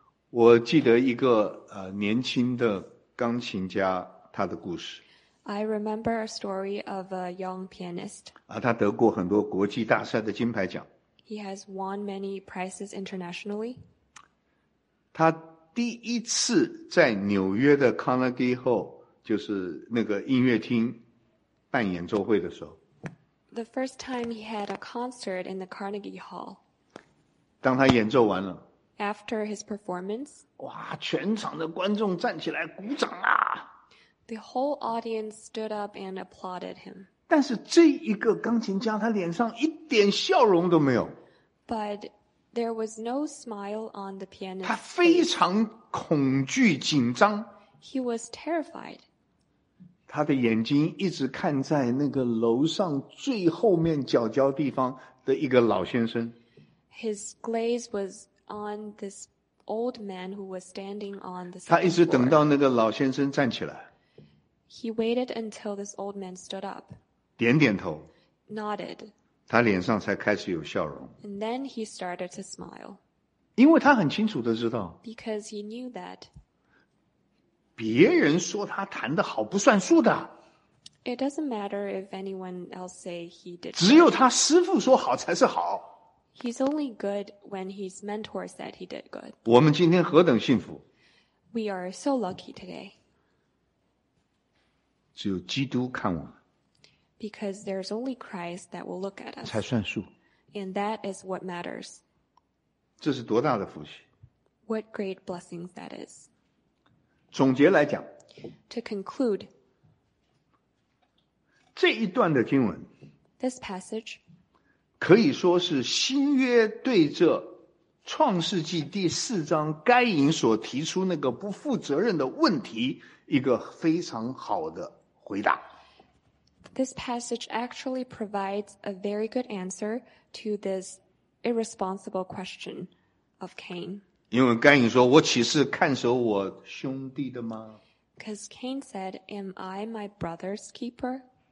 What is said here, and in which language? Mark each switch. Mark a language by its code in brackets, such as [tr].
[zh] 我记得一个年轻的钢琴家他的故事。 [en] I remember a story of a young pianist. [zh] 他得过很多国际大赛的金牌奖。 [en] He has won many prizes internationally. [zh] 他第一次在纽约的 Carnegie Hall 就是那个音乐厅办演奏会的时候。 [en] The first time he had a concert in the Carnegie Hall. [zh] 当他演奏完了。 [en] After his performance. [zh] 哇，全场的观众站起来鼓掌啊。 [en] The whole audience stood up and applauded him. [zh] 但是这一个钢琴家他脸上一点笑容都没有。 [en] But there was no smile on the pianist. [zh] 他非常恐惧紧张。 [en] He was terrified. [zh] 他的眼睛一直看在那个楼上最后面角角地方的一个老先生。 [en] His gaze was on this old man who was standing on the second floor. [zh] 他一直等到那个老先生站起来。 [en] He waited until this old man stood up. [zh] 点点头。 [en] Nodded. [zh] 他脸上才开始有笑容。 [en] And then he started to smile. [zh] 因为他很清楚地知道。 [en] Because he knew that. [zh] 别人说他弹得好不算数的。 [en] It doesn't matter if anyone else say he did. [zh] 只有他师父说好才是好。 [en] He's only good when his mentor said he did good. [zh] 我们今天何等幸福。 [en] We are so lucky today. [zh] 只有基督看我们。 [en] Because there's only Christ that will look at us. [zh] 才算数。 [en] And that is what matters. [zh] 这是多大的福气。 [en] What great blessings that is. [zh] 总结来讲 [en] ，To conclude， [zh] 这一段的经文 [en] ，This passage， [zh] 可以说是新约对这创世纪第四章该隐所提出那个不负责任的问题一个非常好的回答。 [en] This passage actually provides a very good answer to this irresponsible question of Cain. [zh] 因为该隐说我岂是看守我兄弟的吗 [en] Because Cain said, am I my brother's keeper?